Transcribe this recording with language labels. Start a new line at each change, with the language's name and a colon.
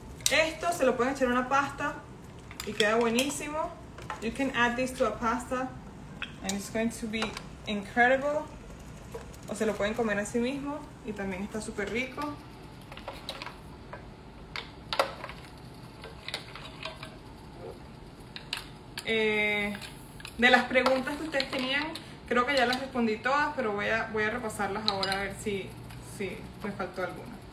Spanish: Esto se lo pueden echar a una pasta y queda buenísimo.
English: You can add this to a pasta and it's going to be incredible.
Spanish: O se lo pueden comer a sí mismo y también está súper rico. De las preguntas que ustedes tenían, creo que ya las respondí todas, pero voy a repasarlas ahora a ver si me faltó alguna.